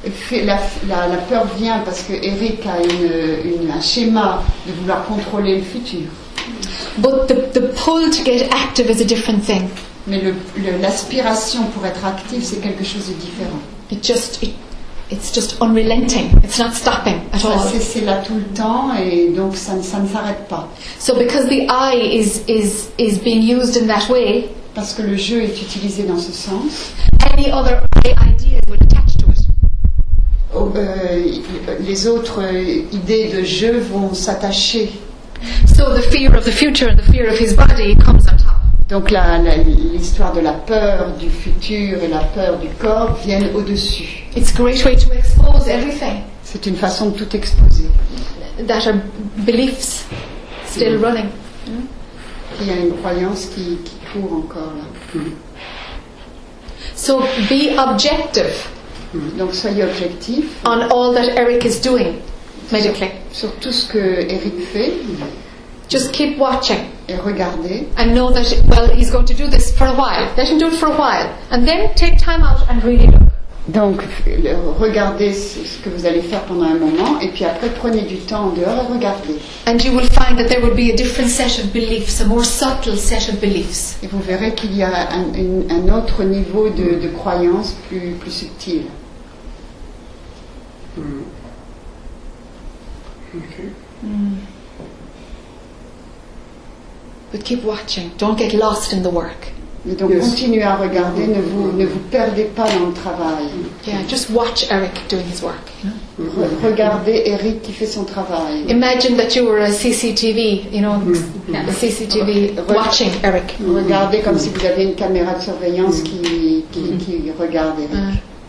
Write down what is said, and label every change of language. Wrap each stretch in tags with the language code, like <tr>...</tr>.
<fr>La peur vient parce que Eric a un schéma de vouloir contrôler le futur.</fr> <en>But the pull to get active is a different thing.</en> <fr>Mais l'aspiration pour être active, c'est quelque chose de différent.</fr> <en>It's just unrelenting. It's not stopping at all.</en> <fr>C'est là tout le temps et donc ça ne s'arrête pas.</fr> <en>So because the eye is being used in that way,</en> <fr>parce que le jeu est utilisé dans ce sens,</fr> <en>any other idea would attach to it.</en> <fr>Les autres idées de jeu vont s'attacher.</fr> <en>So the fear of the future and the fear of his body comes on top.</en> <fr>Donc l'histoire de la peur du futur et la peur du corps viennent au-dessus.</fr> <en>It's a great way to expose everything.</en> <fr>C'est une façon de tout exposer.</fr> <en>That are beliefs still running.</en> <fr>Il y a une croyance qui court encore là.</fr> <en>So be objective.</en> <fr>Donc soyez objectif.</fr> <en>On all that Eric is doing.</en> <fr>Sur tout ce que Eric fait.</fr> <en>Just keep watching.</en> <fr>Et regardez.</fr> <en>And know that he's going to do this for a while. Let him do it for a while, and then take time out and really look.</en> <fr>Donc, regardez ce que vous allez faire pendant un moment, et puis après, prenez du temps en dehors et regardez.</fr> <en>And you will find that there will be a different set of beliefs, a more subtle set of beliefs.</en> <fr>Et vous verrez qu'il y a un autre niveau de croyance plus subtil.</fr> <en>But keep watching. Don't get lost in the work.</en> <fr>Et donc continuez à regarder, ne vous perdez pas dans le travail.</fr> <en>Yeah, just watch Eric doing his work.</en> <fr>Regardez Eric qui fait son travail.</fr> <en>Imagine that you were a CCTV, you know, a CCTV watching Eric.</en> <fr>Regardez comme si vous aviez une caméra de surveillance qui regarde Eric.</fr>